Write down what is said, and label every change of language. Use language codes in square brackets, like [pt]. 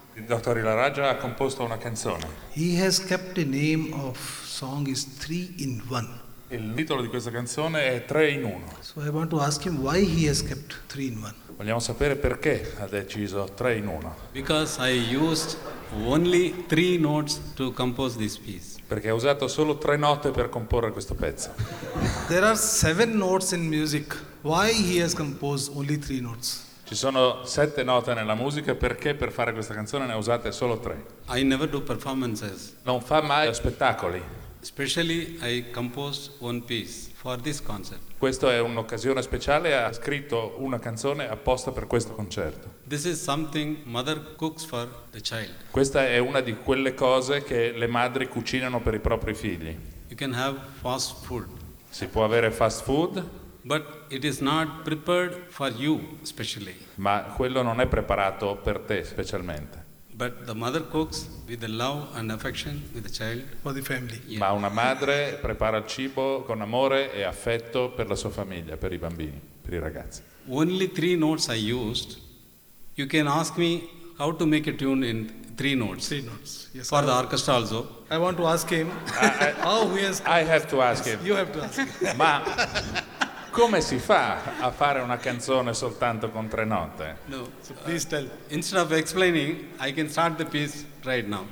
[it] Il dottor Ila Raja ha composto una canzone. [en] He has kept the name of song is 3-in-1. [it] Il titolo di questa canzone è 3-in-1. [en] So I want to ask him why he has kept 3-in-1. [it] Vogliamo sapere perché ha deciso 3-in-1. [en] Because I used only 3 notes to compose this piece. [it] Perché ha usato solo 3 note per comporre questo pezzo. [en] There are 7 notes in music. Why he has composed only 3 notes? [it] Ci sono 7 note nella musica, perché per fare questa canzone ne ha usate solo 3? [en] I never do performances. [it] Non fa mai spettacoli. [en] Especially I composed one piece for this concert. [it] Questo è un'occasione speciale, ha scritto una canzone apposta per questo concerto. [en] This is something mother cooks for the child. [it] Questa è una di quelle cose che le madri cucinano per i propri figli. [en] You can have fast food. [it] Si può avere fast food. [en] But it is not prepared for you specially. [it] Ma quello non è preparato per te specialmente. [en] But the mother cooks with the love and affection with the child for the family. Yeah. [it] Ma una madre prepara il cibo con amore e affetto per la sua famiglia, per i bambini, per i ragazzi. [en] Only 3 notes I used. You can ask me how to make a tune in 3 notes. 3 notes. Yes. For the orchestra also. I want to ask him how he has. I have to ask him. You have to ask him. [it] Ma come si fa a fare una canzone soltanto con 3 note? [en] No, so please tell. Instead of explaining, I can start the piece right now.